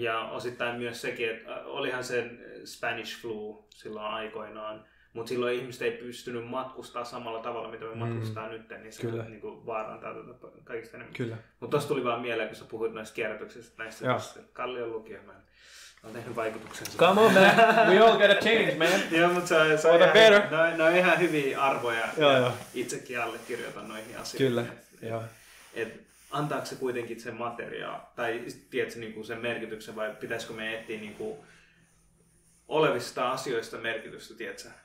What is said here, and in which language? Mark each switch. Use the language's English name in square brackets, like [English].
[Finnish] Ja osittain myös sekin, että olihan se Spanish flu silloin aikoinaan, mutta silloin ihmiset ei pystynyt matkustamaan samalla tavalla, mitä me matkustetaan nyt, niin se niin kuin vaarantaa tätä kaikista enemmän. Kyllä. Mutta tuossa tuli vaan mieleen, kun sä puhuit näistä kierrätyksistä, näistä Kallion lukiemään. On tehnyt vaikutuksensa. [English] Come on man, we all get a change man. [Finnish] Joo, mutta se on ihan hyviä arvoja. Joo. Itsekin allekirjoitan noihin asioihin. Kyllä, joo. Et antaako se kuitenkin sen materiaa, tai tiedätkö niinku sen merkityksen, vai pitäisikö me etsiä niinku olevista asioista merkitystä, tiedätkö?